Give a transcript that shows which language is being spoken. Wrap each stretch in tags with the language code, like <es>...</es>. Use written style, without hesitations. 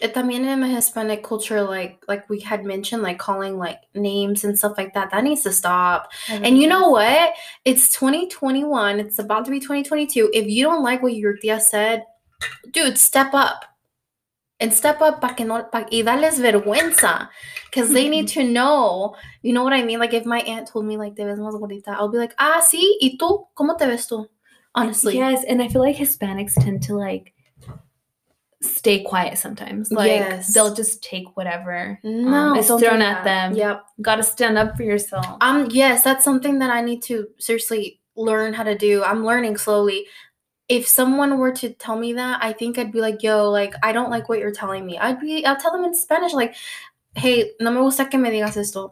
<es>También</es> <en>in the Hispanic culture, like we had mentioned, like calling like names and stuff like that. That needs to stop. And you know what? It's 2021. It's about to be 2022. If you don't like what your tía said, dude, step up. And step up,</en> <es>y dales vergüenza,</es> <en>because they need to know. You know what I mean? Like, if my aunt told me, like,</en> <es>te ves más gordita,</es> <en>I'll be like,</en> <es>ah, sí, y tú, ¿cómo te ves tú?</es> <en>Honestly. Yes, and I feel like Hispanics tend to, like, stay quiet sometimes. Like, yes. They'll just take whatever is thrown at them. Yep. Got to stand up for yourself. Yes, that's something that I need to seriously learn how to do. I'm learning slowly. If someone were to tell me that, I think I'd be like, yo, like, I don't like what you're telling me. I'll tell them in Spanish, like,</en> <es>hey, no me gusta que me digas esto.</es>